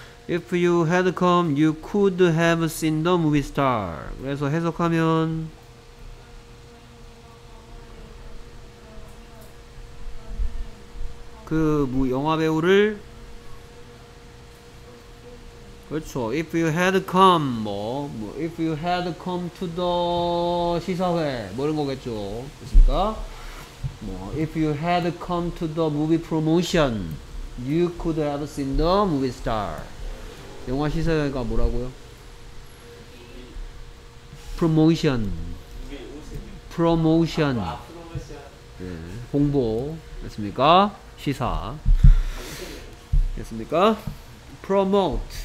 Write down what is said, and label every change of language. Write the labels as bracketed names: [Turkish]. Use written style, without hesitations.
[English] If you had come, you could have seen the movie star. [Korean] 그래서 해석하면 그 뭐 영화 배우를 그렇죠. [English] If you had come 뭐 if you had come to the 시사회 [Korean] 뭐 이런 거겠죠. 됐습니까? [English] 뭐 if you had come to the movie promotion, you could have seen the movie star. [Korean] 영화 시사회가 뭐라고요? [English] Promotion. Promotion. [Korean] 예, 홍보. 됐습니까? 시사. 됐습니까? Promote.